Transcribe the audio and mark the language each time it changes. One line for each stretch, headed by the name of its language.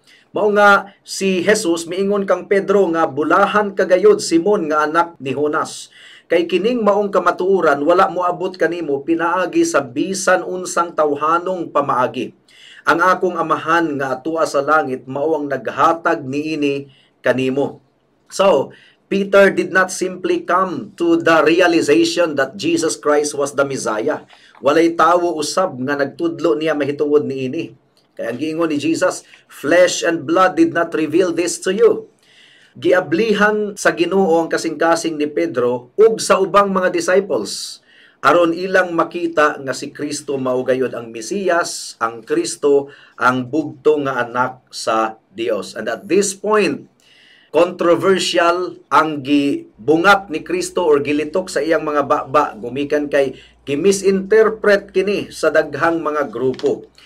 Cebuano: Mao nga si Jesus miingon kang Pedro nga bulahan kagayod Simon nga anak ni Jonas. Kay kining maong kamatuoran wala moabot kanimo pinaagi sa bisan unsang tawhanong pamaagi. Ang akong amahan nga atua sa langit mao ang naghatag niini kanimo.
English: So, Peter did not simply come to the realization that Jesus Christ was the Messiah.
Cebuano: Walay tawo usab nga nagtudlo niya mahitungod niini. Kaya ang giingon ni Jesus,
English: "Flesh and blood did not reveal this to you."
Cebuano: Giablihan sa Ginoo ang kasing-kasing ni Pedro ug sa ubang mga disciples aron ilang makita nga si Kristo mao gayud ang Mesiyas, ang Kristo, ang bugtong nga anak sa Dios.
English: And at this point,
Cebuano: controversial ang gibungat ni Kristo or gilitok sa iyang mga baba gumikan kay gimisinterpret kini sa daghang mga grupo.